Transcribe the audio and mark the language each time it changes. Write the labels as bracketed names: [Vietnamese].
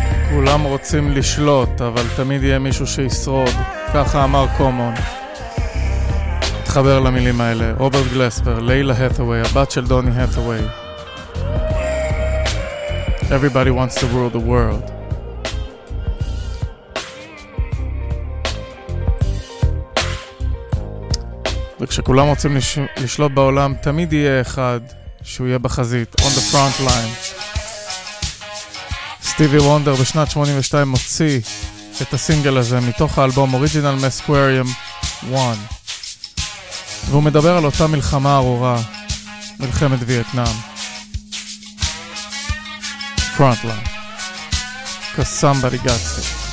[Hebrew] כולם רוצים לשלוט, אבל תמיד יהיה מישהו שישרוד. ככה אמר קומון. תחבר למילים האלה. רוברט גלספר, לילה הת'אווי, הבת של דוני הת'אווי. [English] Everybody wants to rule the world. [Hebrew] וכשכולם רוצים לשלוט בעולם, תמיד יהיה אחד שהוא יהיה בחזית. [English] On the front line. [Hebrew] סטיבי וונדר בשנת 82 מוציא את הסינגל הזה מתוך האלבום אוריג'ינל מסקוויריום 1, והוא מדבר על אותה מלחמה ארורה, מלחמת וייטנאם. [English] פרונט ליין, cause somebody got it.